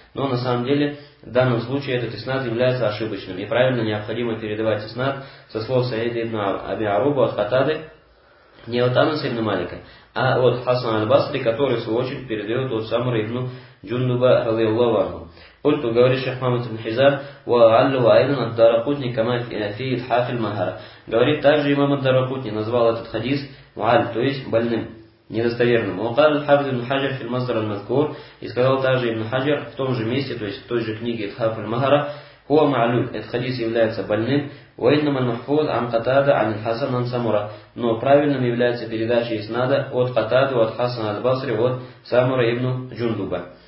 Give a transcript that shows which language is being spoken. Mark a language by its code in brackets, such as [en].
[ru] Но на самом деле в данном случае этот иснад является ошибочным. И правильно необходимо передавать иснад со слов Саида ибн Аби Аруба от Катады не от Анаса ибн Малика, а от Хасана аль-Басри, который в свою очередь передает от Самура ибн Джундуба радиаллаху анху. [ar] قلت [ru] говорит шейх Мухаммад ибн Хизам [ar] وعلّه أيضا الدارقطني كما في إلحاف المهارة. [ru] Говорит также имам ад-Дарқутни назвал этот хадис муаль, то есть больным, недостоверным. [ar] وقال الحافظ ابن حجر في المصدر المذكور, [ru] и сказал также ибн Хаджар в том же месте, то есть в той же книге إلحاف المهارة, [ar] هو معلول, [ru] этот хадис является больным. [ar] وإنما المحفوظ عن قتادة عن الحسن عن سمرة, [ru] но правильным является передача иснада от Катады, от Хасана аль-Басри, от Самура ибн Джундуба.